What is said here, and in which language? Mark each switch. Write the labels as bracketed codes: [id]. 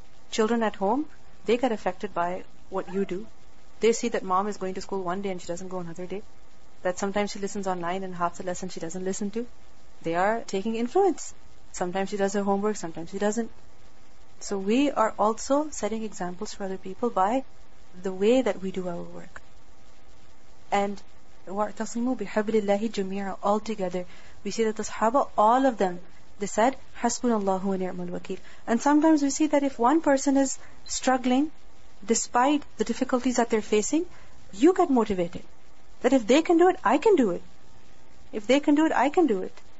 [en] Children at home, they get affected by what you do. They see that mom is going to school one day and she doesn't go another day. That sometimes she listens online and half the lesson she doesn't listen to. They are taking influence. Sometimes she does her homework, sometimes she doesn't. So we are also setting examples for other people by the way that we do our work. [ar] And وَاعْتَصِمُوا بِحَبْلِ اللَّهِ جَمِيعًا, [en] all together. We see that the Sahaba, all of them, they said, [ar] حَسْبُنَ اللَّهُ وَنِعْمُ الْوَكِيلُ. [en] And sometimes we see that if one person is struggling, despite the difficulties that they're facing, you get motivated. That if they can do it, I can do it. If they can do it, I can do it.